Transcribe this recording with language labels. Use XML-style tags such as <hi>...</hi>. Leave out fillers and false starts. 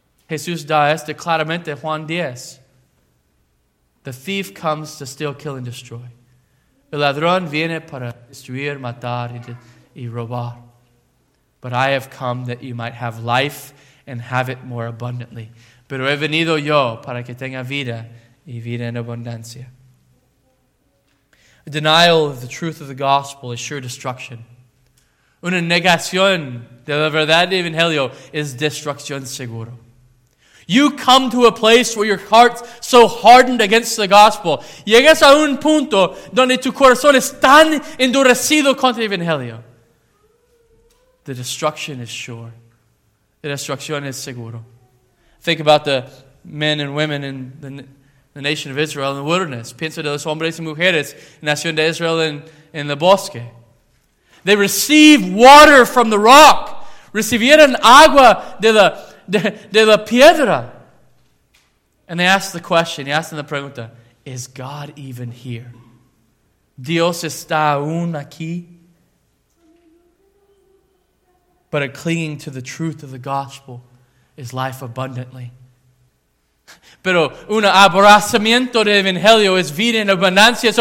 <es>Jesús da esto claramente en Juan 10.</es> <en>The thief comes to steal, kill, and destroy.</en> <es>El ladrón viene para destruir, matar y robar.</es> <en>But I have come that you might have life and have it more abundantly.</en> <es>Pero he venido yo para que tenga vida y vida en abundancia.</es> <en>A denial of the truth of the gospel is sure destruction.</en> <es>Una negación de la verdad del evangelio es destrucción seguro.</es> <en>You come to a place where your heart's so hardened against the gospel.</en> <es>Llegas a un punto donde tu corazón es tan endurecido contra el evangelio.</es> <en>The destruction is sure. The destruction is seguro. Think about the men and women in the nation of Israel in the wilderness.</en> <es>Pienso de los hombres y mujeres, nación de Israel en el bosque.</es> <en>They received water from the rock.</en> <es>Recibieron agua de la piedra.</es> <en>And they asked the question, is God even here?</en> <es>¿Dios está aún aquí?</es> <en>But a clinging to the truth of the gospel is life abundantly.</en> <es>Pero un abrazamiento de evangelio es vida en abundancia.</es>